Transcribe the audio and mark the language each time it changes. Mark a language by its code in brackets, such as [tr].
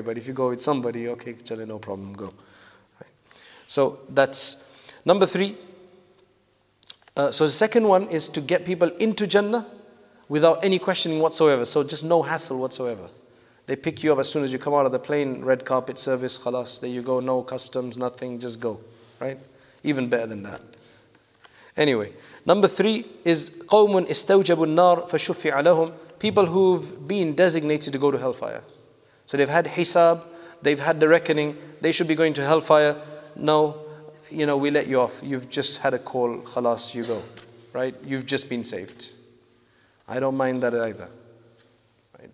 [en] But if you go with somebody, okay, chale, no problem, go. Right. So that's number three. So the second one is to get people into Jannah without any questioning whatsoever. So just no hassle whatsoever. They pick you up as soon as you come out of the plane, red carpet service, khalas, there you go, no customs, nothing, just go. Right? Even better than that. Anyway, number three is [ar] قَوْمٌ إِسْتَوْجَبُ النَّارِ فَشُفِّعَ لَهُمْ. [en] People who've been designated to go to hellfire. So they've had hisab, they've had the reckoning, they should be going to hellfire. No, you know, we let you off. You've just had a call, khalas, you go. Right? You've just been saved. I don't mind that either. Right?